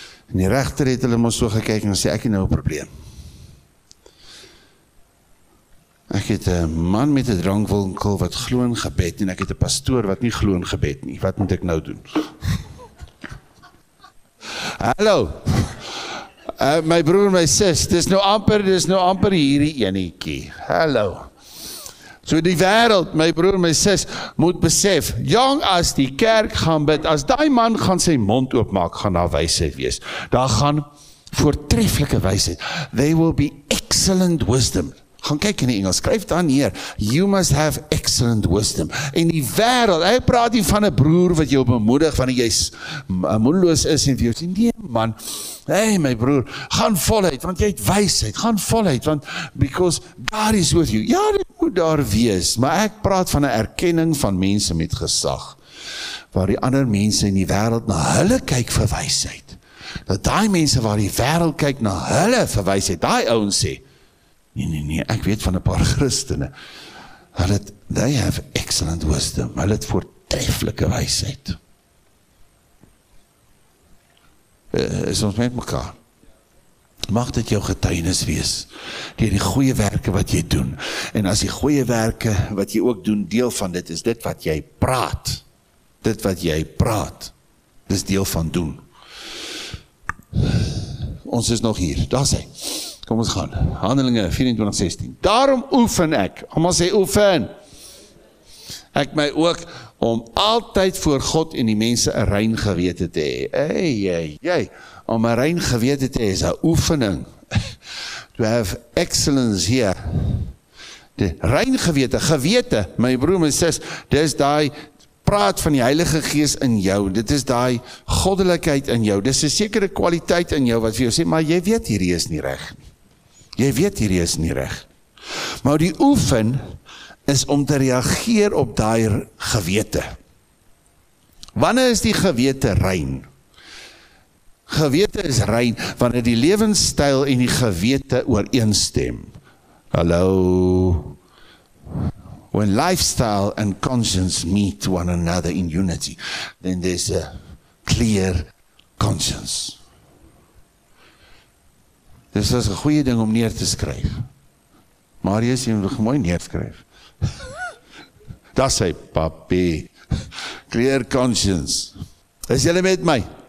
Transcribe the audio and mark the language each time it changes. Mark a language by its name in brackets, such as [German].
[Afrikaans] En die rechter het hulle maar so gekyk en sê, ek het nou een probleem. Ek het 'n man met 'n drankwinkel wat glo in gebed en ek het 'n pastoor wat nie glo in gebed nie. Wat moet ek nou doen? Hallo. My broer, my sis, dis nou amper hierdie enetjie. Hallo. So die wêreld, my broer, my sis, moet besef, jong as die kerk gaan bid, as daai man gaan sy mond oopmaak, gaan daar wysheid wees. Daar gaan voortreffelike wysheid. [English] They will be excellent wisdom. [Afrikaans] Gaan kyk in die Engels, skryf dan neer, [English] you must have excellent wisdom. [Afrikaans] En die wêreld, hy praat hier van 'n broer wat jou bemoedig, wanneer jy moedeloos is en vir jou sê, nee man, hey my broer, gaan voluit, want jy het wysheid, gaan voluit, want [English] because God is with you. [Afrikaans] Ja, dit moet daar wees, maar ek praat van 'n erkenning van mense met gesag, waar die ander mense in die wêreld na hulle kyk vir wysheid. Dat daai mense waar die wêreld kyk na hulle vir wysheid, daai ouens sê, Nee, ek weet van 'n paar Christene. [English] They have excellent wisdom. [Afrikaans] Hulle het voortreffelike wysheid. Is ons met mekaar? Mag dit jou getuienis wees deur die goeie werke wat jy doen. En as die goeie werke wat jy ook doen deel van dit is dit wat jy praat. Dit wat jy praat. Dis deel van doen. Ons is nog hier. Daar sê Kom ons gaan, Handelinge 24:16. Daarom oefen ek, almal sê oefen, ek my ook om altyd voor God en die mense een rein gewete te hê. Om een rein gewete te hê is een oefening. [English] To have excellence here. [Afrikaans] Die rein gewete, my broer en sis, dis daai praat van die Heilige Gees in jou, dit is daai goddelikheid in jou, dit is 'n sekere kwaliteit in jou wat vir jou sê, maar jy weet hierdie is nie reg. Jy weet hierdie is nie reg. Maar die oefen is om te reageer op daai gewete. Wanneer is die gewete rein? Gewete is rein wanneer die lewenstyl en die gewete ooreenstem. Hallo. [English] When lifestyle and conscience meet one another in unity, then there's a clear conscience. [Afrikaans] Dis is 'n goeie ding om neer te skryf. Marius, jy moet mooi neerskryf. Dat sê, papi. [English] Clear conscience. [Afrikaans] Is jy met my?